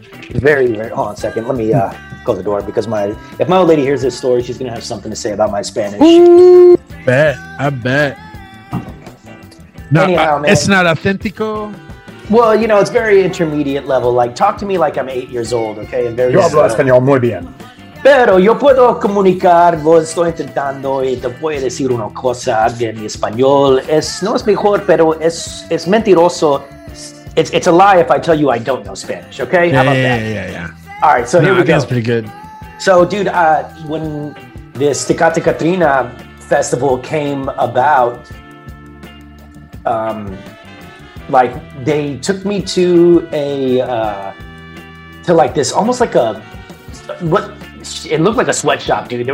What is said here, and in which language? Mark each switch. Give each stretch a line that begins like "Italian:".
English: very, very, hold on a second. Let me close the door because if my old lady hears this story, she's going to have something to say about my Spanish. I bet. No, anyhow, man, it's not authentico. Well, you know, it's very intermediate level. Like, talk to me like I'm 8 years old, okay?
Spanish: And yo hablo español muy bien. Pero yo puedo comunicar, lo estoy intentando y te voy a decir una cosa de mi español. No es mejor, pero es mentiroso.
English: It's a lie if I tell you I don't know Spanish, okay? Yeah, How about that? All right, so here we go. That's pretty good. So, dude, when this Tecate Catrina festival came about, like they took me to it looked like a sweatshop, dude.